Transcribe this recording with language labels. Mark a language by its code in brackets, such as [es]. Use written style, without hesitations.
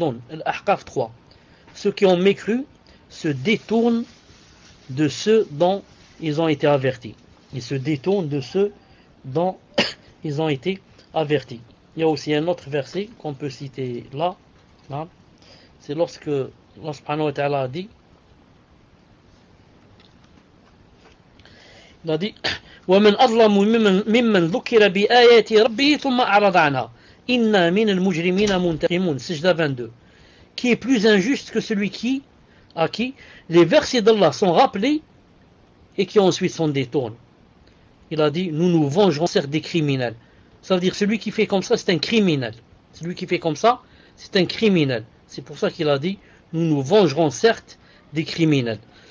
[fr] Al-Ahqaf 3. Ceux qui ont mécru se détournent de ceux dont ils ont été avertis. Ils se détournent de ceux dont ils ont été avertis. Il y a aussi un autre verset qu'on peut citer là. C'est lorsque Allah subhanahu wa ta'ala a dit, [ar] il a dit, وَمَنْ أَظْلَمُ مِمَّنْ ذُكِّرَ بِآيَاتِ رَبِّهِ ثُمَّ أَعْرَضَ عَنْهَا إِنَّا مِنَ الْمُجْرِمِينَ مُنْتَقِمُونَ Sijda 22. [fr] Qui est plus injuste que celui qui, à qui, les versets d'Allah sont rappelés et qui ensuite s'en détournent. Il a dit, nous nous vengerons certes des criminels. Ça veut dire, celui qui fait comme ça, c'est un criminel. Celui qui fait comme ça, c'est un criminel. C'est pour ça qu'il a dit, nous nous vengerons certes des criminels.